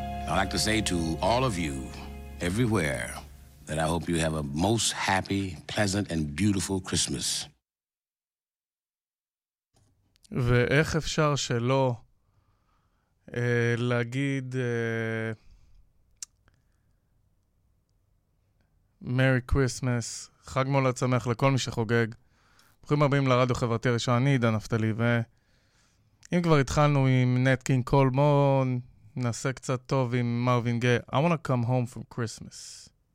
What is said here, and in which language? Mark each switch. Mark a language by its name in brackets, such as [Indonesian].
[English] I'd like to say to all of you everywhere that I hope you have a most happy, pleasant and beautiful Christmas. [Hebrew] ואיך אפשר שלא להגיד [English] Merry Christmas, [Hebrew] חג מולד שמח לכל מי שחוגג. ברוכים הבאים לרדיו חברתי הראשון, אני עידן נפתלי, ואם כבר התחלנו עם Nat King Cole, מון נעשה קצת טוב עם מרווין גיי. [English] I want to come home from Christmas.